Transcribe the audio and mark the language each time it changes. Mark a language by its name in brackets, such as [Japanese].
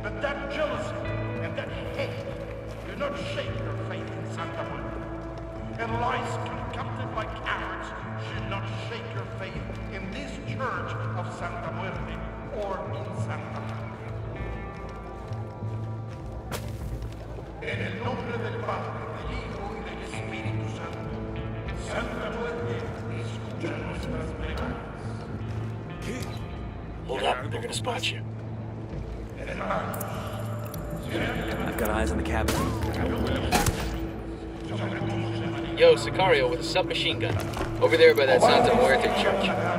[English] But that jealousy and that hate do not shake your faith in Santa Muerte. And lies concocted by cowards should not shake your faith in this church of Santa Muerte or in Santa Muerte. [Spanish] En el nombre del Padre, del Hijo y del Espíritu Santo, Santa Muerte, escucha nuestras plegarias. [English] Hold up, they're gonna spot you. I've got eyes on the cabin. Yo, Sicario with a submachine gun. Over there by that Santa Muerte church.